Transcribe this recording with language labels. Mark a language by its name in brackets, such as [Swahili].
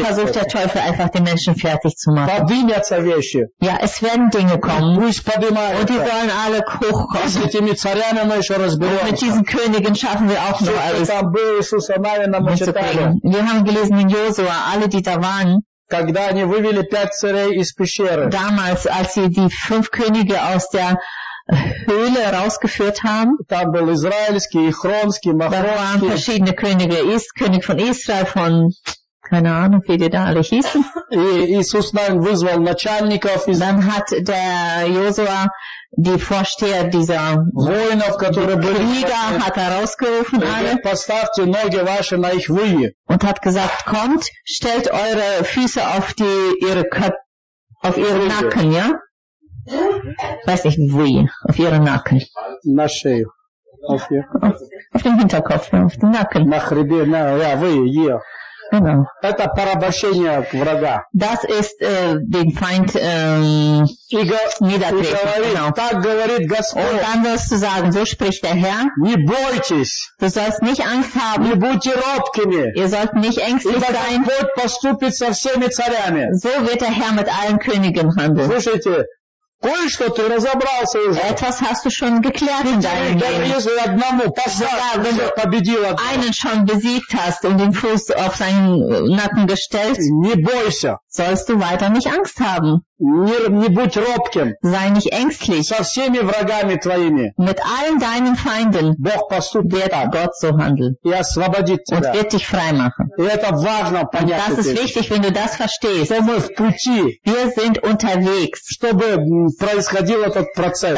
[German] versucht der Teufel einfach, den Menschen fertig zu machen. Ja, es werden Dinge kommen und die sollen alle hochkommen. Und mit diesen Königen schaffen wir auch noch alles. Nicht zu wir haben gelesen in Josua, alle, die da waren, [Russian] когда они вывели пять царей из пещеры. [German] Damals, als sie die fünf Könige aus der Höhle rausgeführt haben. [Russian] Там был израильский, хронский, махронский. [German] Da waren verschiedene Könige. König von Israel, von keine Ahnung, wie die da alle hießen. [Russian] И Иисус нам вызвал начальников. [German] Dann hat der Josua die Vorsteher dieser [Russian] воинов, которые были, [German] Krieger, hat er rausgerufen alle. [Russian] Поставьте ноги ваши на их выи. [German] Und hat gesagt, kommt, stellt eure Füße auf die ihre auf ihren Nacken, ja? Weiß nicht, wie, auf ihren Nacken. [Russian] Na шею. [German] Auf ihr. Auf den Hinterkopf, auf den Nacken. [Russian] На хребе, на, ja, выи, ihr. [German] Genau. [Russian] Это порабощение врага. [German] Das ist den Feind niedertreten. [Russian] Говорит, [German] genau. [Russian] Так говорит Господь. [German] Und dann wirst du sagen, so spricht der Herr. [Russian] Не бойтесь. [German] Du sollst nicht Angst haben. [Russian] Не будьте робкими. [German] Ihr sollt nicht ängstlich [Russian] Ибо [German] sein. [Russian] Ибо Господь поступит со всеми царями. [German] So wird der Herr mit allen Königen handeln. [Russian] Слушайте, кое-что ты разобрался уже. [German] Etwas hast du schon geklärt in deinem Leben. Wenn du einen schon besiegt hast und den Fuß auf seinen Nacken gestellt, [Russian] не бойся. [German] Sollst du weiter nicht Angst haben. [Russian] Не будь робким. [German] Sei nicht ängstlich. [Russian] Со всеми врагами твоими. [German] Mit allen deinen Feinden wird Gott so handeln. [Russian] И освободит тебя. [German] Und wird dich freimachen. [Russian] И это важно понять. [German] Das ist wichtig, wenn du das verstehst. [Russian] Что мы в пути. [German] Wir sind unterwegs. [Russian] Чтобы происходил этот процесс.